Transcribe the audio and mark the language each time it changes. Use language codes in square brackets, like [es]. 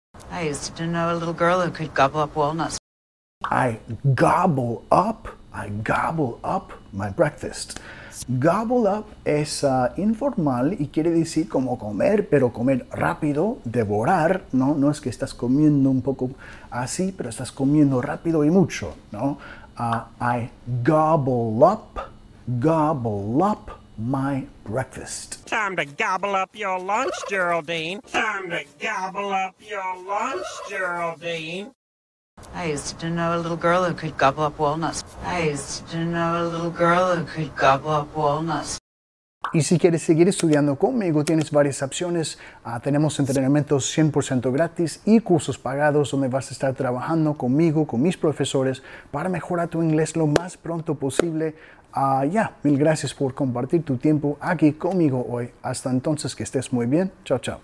[en] I used to know a little girl who could gobble up walnuts. I gobble up my breakfast. [es] Gobble up es informal y quiere decir como comer, pero comer rápido, devorar, ¿no? No es que estás comiendo un poco así, pero estás comiendo rápido y mucho, ¿no? [en] I gobble up my breakfast. Time to gobble up your lunch, Geraldine. Time to gobble up your lunch, Geraldine. I used to know a little girl who could gobble up walnuts. I used to know a little girl who could gobble up walnuts. [es] Y si quieres seguir estudiando conmigo, tienes varias opciones. Tenemos entrenamientos 100% gratis y cursos pagados donde vas a estar trabajando conmigo, con mis profesores, para mejorar tu inglés lo más pronto posible. Mil gracias por compartir tu tiempo aquí conmigo hoy. Hasta entonces, que estés muy bien. Chao, chao.